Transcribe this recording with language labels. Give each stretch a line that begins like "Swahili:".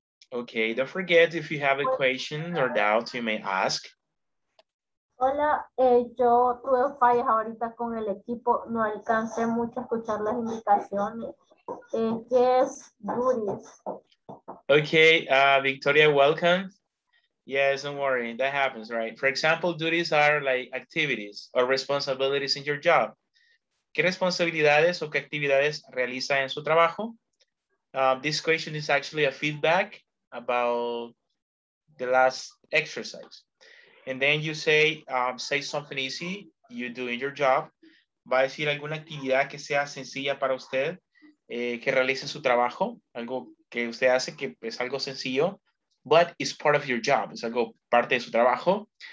English: Okay, don't forget, if you have a question or doubt, you may ask.
Spanish: Hola, yo tuve fallas ahorita con el equipo. No alcancé mucho a escuchar las indicaciones. ¿Qué es duties?
English: Okay, Victoria, welcome. Yes, don't worry, that happens, right? For example, duties are like activities or responsibilities in your job.
Spanish: ¿Qué responsabilidades o qué actividades realiza en su trabajo?
English: This question is actually a feedback about the last exercise. And then you say, say something easy you do in your job.
Spanish: Va a decir alguna actividad que sea sencilla para usted, que realice su trabajo, algo que usted hace que es algo sencillo,
English: but it's part of your job,
Spanish: es algo parte de su trabajo.